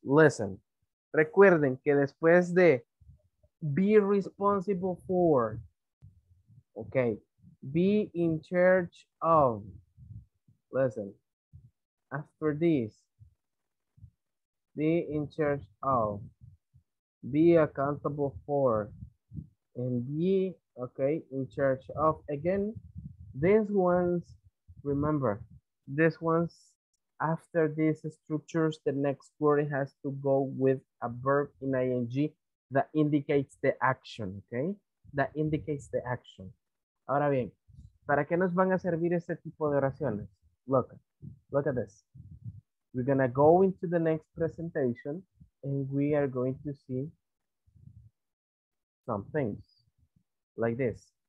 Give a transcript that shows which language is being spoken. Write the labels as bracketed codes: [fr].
[en] Listen, [es] recuerden que después de [en] be responsible for, okay, be in charge of, listen, after this, be in charge of, be accountable for, and be, okay, in charge of. Again, these ones, remember, these ones, after these structures, the next word has to go with a verb in ing that indicates the action, okay? That indicates the action. [es] Ahora bien, ¿para qué nos van a servir este tipo de oraciones? [en] Look at this. We're gonna go into the next presentation and we are going to see some things like this.